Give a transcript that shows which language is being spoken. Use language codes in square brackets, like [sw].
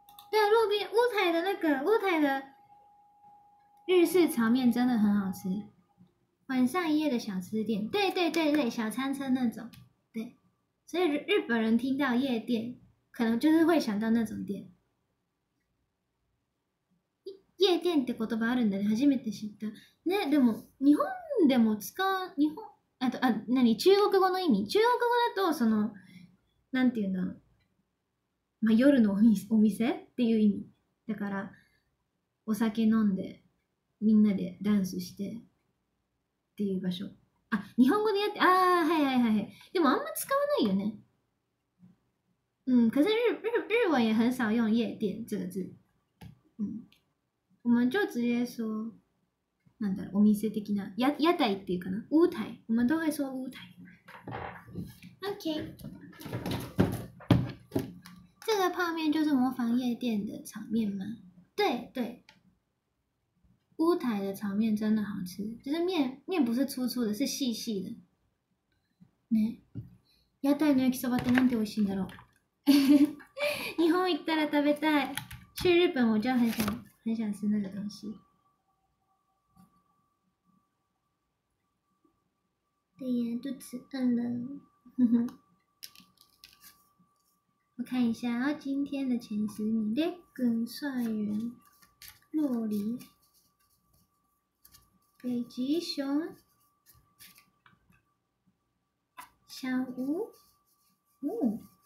[zh] 对，路边屋台的那个屋台的日式炒面真的很好吃。晚上一夜的小吃店，对，小餐车那种，对，所以日本人听到夜店，可能就是会想到那种店。 [ja] 夜店って言葉あるんだね、初めて知った。ね、でも日本でも使う、日本、あと、あ、何、中国語の意味、中国語だとそのなんていうんだろう、まあ夜のお店っていう意味だから、お酒飲んでみんなでダンスして。っていう場所。あ、日本語でやって、ああ、はい。でもあんま使わないよね。 [zh] 可是日文也很少用夜店这个字。我们就直接说， [ja] なんだろう、お店的な、屋台っていうかな、屋台。 [zh] 我们都会说屋台。OK。这个泡面就是模仿夜店的炒面吗？对。屋台的炒面真的好吃，就是面不是粗粗的，是细的。 [ja] ね、屋台の焼きそばってなんて美味しいんだろう。日本行ったら食べたい。 [zh] 去日本我就很想吃那个东西。对耶，肚子饿了。我看一下，然后今天的前十名 ：Legend 帅源、洛梨、北极熊、小吴，哦。